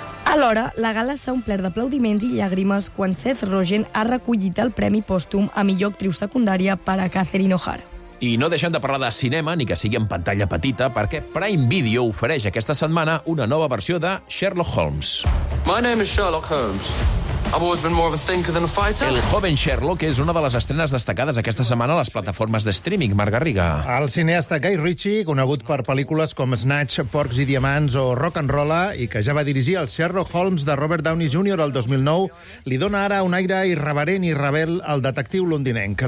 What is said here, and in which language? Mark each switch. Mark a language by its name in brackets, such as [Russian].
[Catalan] Alhora, la gala s'ha omplert d'aplaudiments i llàgrimes quan Seth Rogen ha recollit el premi pòstum a millor actriu secundària per a Catherine O'Hara. I no deixem de parlar de cinema, ni que sigui en pantalla petita, perquè Prime Video ofereix aquesta setmana una nova versió de Sherlock Holmes. [English] My name is Sherlock Holmes. I've always been more of a thinker than a fighter. [Catalan] El joven Sherlock és una de les estrenes destacades aquesta setmana a les plataformes de streaming, Marc Garriga. El cineasta Guy Ritchie, conegut per pel·lícules com Snatch, Porcs i Diamants o Rock and Rolla, i que ja va dirigir el Sherlock Holmes de Robert Downey Jr. el 2009, li dona ara un aire irreverent i rebel al detectiu londinenc.